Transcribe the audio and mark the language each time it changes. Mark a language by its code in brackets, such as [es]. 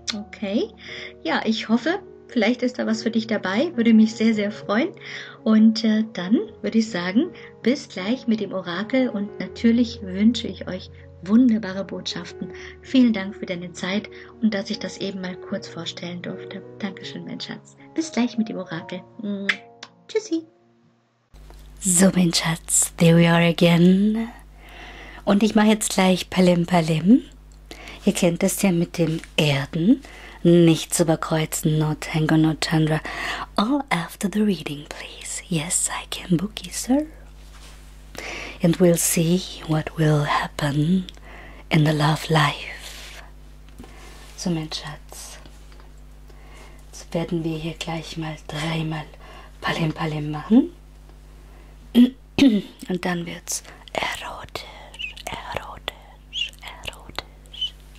[de] Okay, ja, ich hoffe, vielleicht ist da was für dich dabei, würde mich sehr, sehr freuen und dann würde ich sagen, bis gleich mit dem Orakel und natürlich wünsche ich euch wunderbare Botschaften. Vielen Dank für deine Zeit und dass ich das eben mal kurz vorstellen durfte. Dankeschön, mein Schatz. Bis gleich mit dem Orakel. Tschüssi. So, mein Schatz, [en] there we are again. [de] Und ich mache jetzt gleich Palim Palim. Ihr kennt es ja mit dem Erden. Nichts überkreuzen, [en] no Tango, no Chandra. All after the reading, please. Yes, I can book you, sir. And we'll see what will happen in the love life. [de] So, mein Schatz. Jetzt werden wir hier gleich mal dreimal Palim Palim machen. Und dann wird's erotisch, erotisch, erotisch.